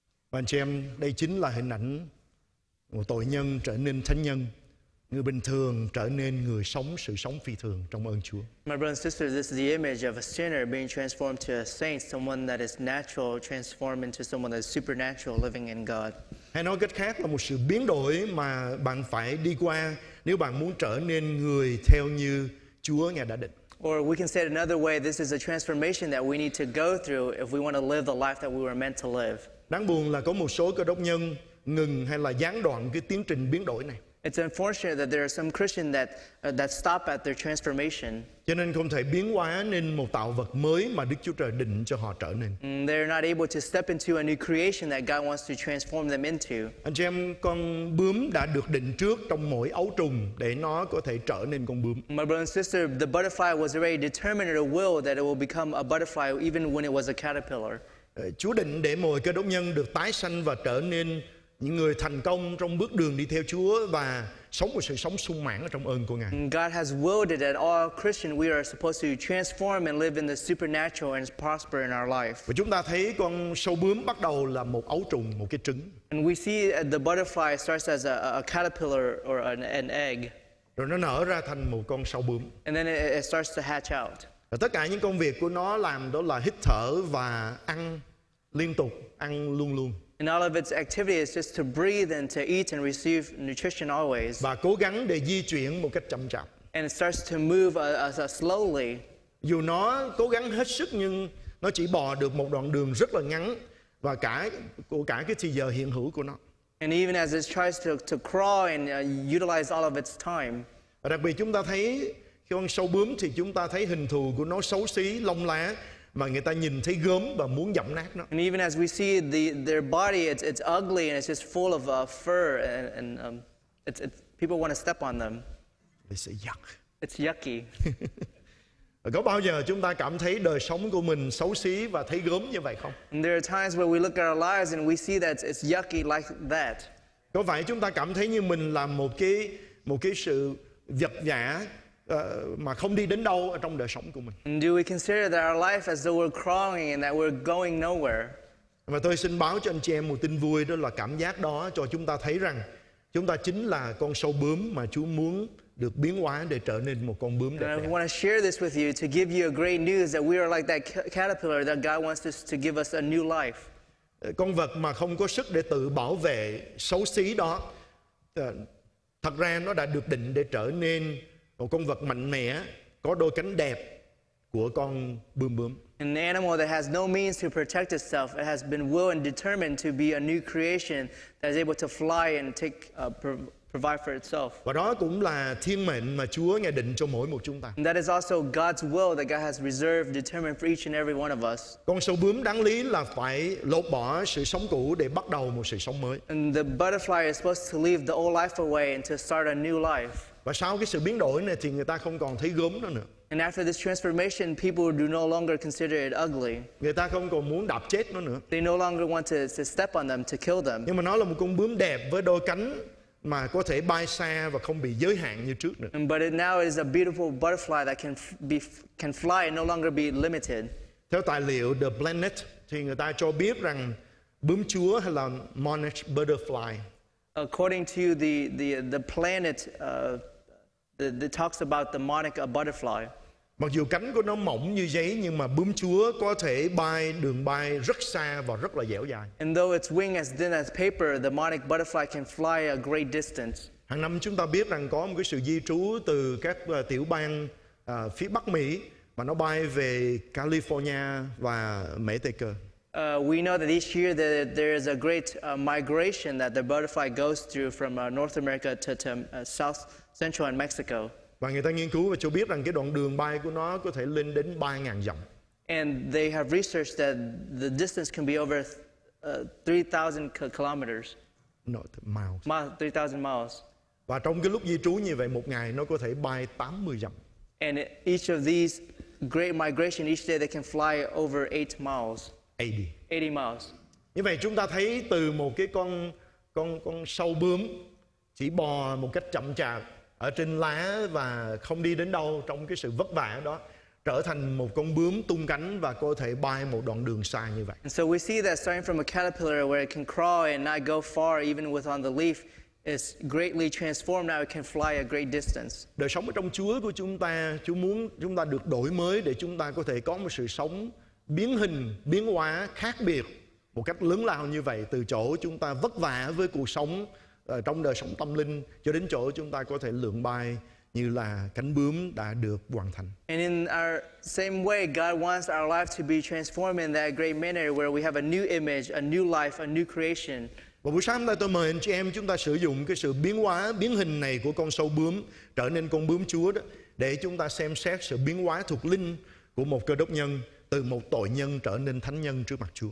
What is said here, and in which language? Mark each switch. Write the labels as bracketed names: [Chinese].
[Vietnamese] Và anh chị em, đây chính là hình ảnh một tội nhân trở nên thánh nhân, người bình thường trở nên người sống sự sống phi thường trong ơn Chúa. [English] My brothers and sisters, this is the image of a sinner being transformed to a saint, someone that is natural transformed into someone that is supernatural living in God. [Vietnamese] Hay nói cách khác là một sự biến đổi mà bạn phải đi qua nếu bạn muốn trở nên người theo như Chúa Ngài đã định. [English] Or we can say it another way, this is a transformation that we need to go through if we want to live the life that we were meant to live. [Vietnamese] Đáng buồn là có một số cơ đốc nhân ngừng hay là gián đoạn cái tiến trình biến đổi này. [English] It's unfortunate that there are some Christians that stop at their transformation. [Vietnamese] Cho nên không thể biến hóa nên một tạo vật mới mà Đức Chúa Trời định cho họ trở nên. [English] They're not able to step into a new creation that God wants to transform them into. [Vietnamese] Anh chị em, con bướm đã được định trước trong mỗi ấu trùng để nó có thể trở nên con bướm. [English] My brother and sister, the butterfly was already determined at a will that it will become a butterfly even when it was a caterpillar. [Vietnamese] Chúa định để mọi cơ đốc nhân được tái sanh và trở nên những người thành công trong bước đường đi theo Chúa và sống một sự sống sung mãn ở trong ơn của Ngài. [English] God has willed it that all Christians we are supposed to transform and live in the supernatural and prosper in our life. [Vietnamese] Và chúng ta thấy con sâu bướm bắt đầu là một ấu trùng, một cái trứng. [English] And we see the butterfly starts as a caterpillar or an egg. [Vietnamese] Rồi nó nở ra thành một con sâu bướm. [English] And then it starts to hatch out. [Vietnamese] Rồi tất cả những công việc của nó làm đó là hít thở và ăn liên tục, ăn luôn luôn. [English] And all of its activity is just to breathe and to eat and receive nutrition always. [Vietnamese] Và cố gắng để di chuyển một cách chậm chạp. [English] And it starts to move slowly. [Vietnamese] Dù nó cố gắng hết sức nhưng nó chỉ bò được một đoạn đường rất là ngắn và cả cái thời giờ hiện hữu của nó. [English] And even as it tries to crawl and utilize all of its time. [Vietnamese] Và đặc biệt chúng ta thấy khi con sâu bướm thì chúng ta thấy hình thù của nó xấu xí, lông lá, mà người ta nhìn thấy gớm và muốn giẫm nát nó. [English] And even as we see their body, it's ugly and it's just full of fur and it's people want to step on them. It's yuck. It's yucky. [Vietnamese] Có bao giờ chúng ta cảm thấy đời sống của mình xấu xí và thấy gớm như vậy không? [English] And there are times where we look at our lives and we see that it's yucky like that. [Vietnamese] Có phải chúng ta cảm thấy như mình là một cái sự vật vã mà không đi đến đâu ở trong đời sống của mình? [English] Do we consider that our life as though we're crawling and that we're going nowhere? [Vietnamese] Và tôi xin báo cho anh chị em một tin vui, đó là cảm giác đó cho chúng ta thấy rằng chúng ta chính là con sâu bướm mà Chúa muốn được biến hóa để trở nên một con bướm đẹp. [English] I want to share this with you to give you a great news that we are like that caterpillar that God wants us to give us a new life. [Vietnamese] Con vật mà không có sức để tự bảo vệ xấu xí đó, thật ra nó đã được định để trở nên một con vật mạnh mẽ, có đôi cánh đẹp của con bướm bướm. [English] An animal that has no means to protect itself, it has been willed and determined to be a new creation that is able to fly and take provide for itself. [Vietnamese] Và đó cũng là thiên mệnh mà Chúa Ngài định cho mỗi một chúng ta. [English] And that is also God's will that God has reserved, determined for each and every one of us. [Vietnamese] Con sâu bướm đáng lý là phải lột bỏ sự sống cũ để bắt đầu một sự sống mới. [English] And the butterfly is supposed to leave the old life away and to start a new life. [Vietnamese] Và sau cái sự biến đổi này thì người ta không còn thấy gớm nữa. [English] And after this transformation, people do no longer consider it ugly. [Vietnamese] Người ta không còn muốn đạp chết nó nữa. [English] They no longer want to step on them, to kill them. [Vietnamese] Nhưng mà nó là một con bướm đẹp với đôi cánh mà có thể bay xa và không bị giới hạn như trước nữa. [English] But it now is a beautiful butterfly that can fly and no longer be limited. [Vietnamese] Theo tài liệu The Planet thì người ta cho biết rằng bướm chúa hay là Monarch Butterfly. [English] According to the Planet, it talks about the Monarch Butterfly. [Vietnamese] Mặc dù cánh của nó mỏng như giấy nhưng mà bướm chúa có thể bay đường bay rất xa và rất là dẻo dai. [English] And though its wing as thin as paper, the Monarch Butterfly can fly a great distance. [Vietnamese] Hàng năm chúng ta biết rằng có một cái sự di trú từ các tiểu bang phía Bắc Mỹ và nó bay về California và Mỹ Tây Cơ. [English] We know that each year that there is a great migration that the butterfly goes through from North America to South Central and Mexico. [Vietnamese] Và người ta nghiên cứu và cho biết rằng cái đoạn đường bay của nó có thể lên đến 3.000 dặm. [English] And they have researched that the distance can be over 3,000 kilometers. No, miles. 3,000 miles. [Vietnamese] Và trong cái lúc di trú như vậy một ngày nó có thể bay 80 dặm. [English] And each of these great migration each day they can fly over 8 miles. 80 miles. [Vietnamese] Như vậy chúng ta thấy từ một cái con sâu bướm chỉ bò một cách chậm chạp ở trên lá và không đi đến đâu trong cái sự vất vả đó, trở thành một con bướm tung cánh và có thể bay một đoạn đường xa như vậy. [English] And so we see that starting from a caterpillar where it can crawl and not go far even with on the leaf, it's greatly transformed now, it can fly a great distance. [Vietnamese] Đời sống ở trong Chúa của chúng ta, Chúa muốn chúng ta được đổi mới để chúng ta có thể có một sự sống biến hình, biến hóa, khác biệt một cách lớn lao như vậy, từ chỗ chúng ta vất vả với cuộc sống trong đời sống tâm linh cho đến chỗ chúng ta có thể lượn bay như là cánh bướm đã được hoàn thành. [English] And in our same way, God wants our life to be transformed in that great manner where we have a new image, a new life, a new creation. [Vietnamese] Và buổi sáng hôm nay tôi mời anh chị em chúng ta sử dụng cái sự biến hóa, biến hình này của con sâu bướm trở nên con bướm Chúa đó, để chúng ta xem xét sự biến hóa thuộc linh của một cơ đốc nhân từ một tội nhân trở nên thánh nhân trước mặt Chúa.